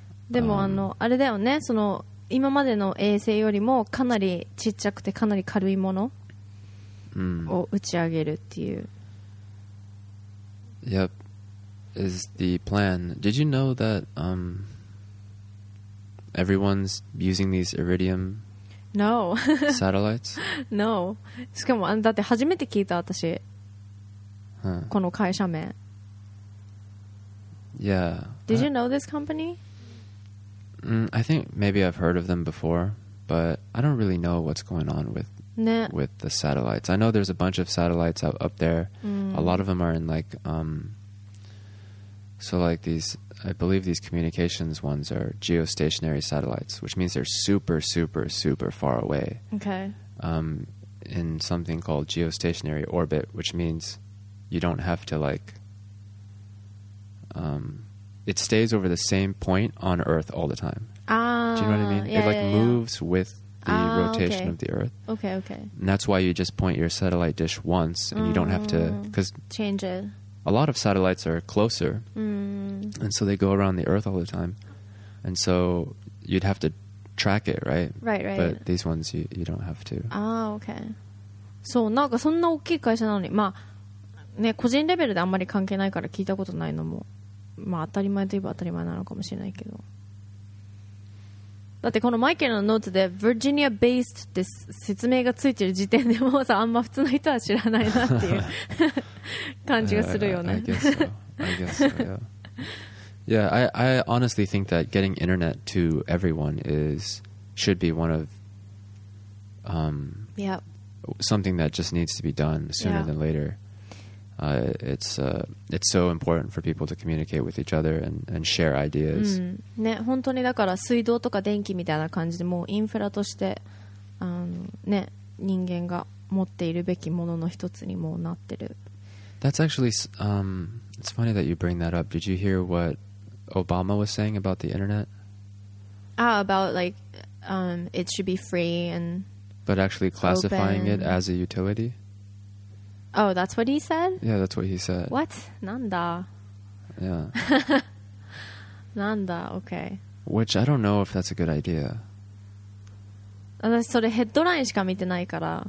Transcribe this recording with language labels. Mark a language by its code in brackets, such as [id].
[ja] でも、あの、あれだよね、その今までの衛星よりもかなりちっちゃくてかなり軽いものを打ち上げるっていう。 [en] Yep, is the plan. Did you know that everyone's using these iridium No. Satellites? No. [ja] しかも、だって初めて聞いた私。この会社名。 [en] Yeah. Did you know this company? I think maybe I've heard of them before, but I don't really know what's going on with the satellites. I know there's a bunch of satellites up there. A lot of them are in like, so like these... I believe these communications ones are geostationary satellites, which means they're super, super, super far away. Okay. In something called geostationary orbit, which means you don't have to like... it stays over the same point on Earth all the time. Do you know what I mean? Yeah, it like yeah, moves yeah. with the rotation okay. of the Earth. Okay, okay. And that's why you just point your satellite dish once and you don't have to... Cause change it. A lot of satellites are closer, and so they go around the Earth all the time. And so you'd have to track it, right? Right, right. But these ones, you don't have to. Ah, okay. [ja] So, なんかそんな大きい会社なのに、まあ、ね、個人レベルであんまり関係ないから聞いたことないのも、まあ当たり前といえば当たり前なのかもしれないけど。だってこのマイケルのノートで [en] Virginia based [ja] って説明がついてる時点でもうさあんま普通の人は知らないなっていう感じがするよね。 [en] I guess so. Yeah, I honestly think that getting internet to everyone is should be one of something that just needs to be done sooner than later. It's so important for people to communicate with each other and share ideas. [ja] ね、本当にだから水道とか電気みたいな感じでもうインフラとしてあのね人間が持っているべきものの一つにもうなってる。 [en] That's actually it's funny that you bring that up. Did you hear what Obama was saying about the internet? Ah, about like it should be free and but actually classifying it as a utility. Oh, that's what he said? Yeah, that's what he said. What? [ja] なんだ? [en] Yeah. [ja] なんだ?Okay. [en] Which, I don't know if that's a good idea. [ja] 私それヘッドラインしか見てないから。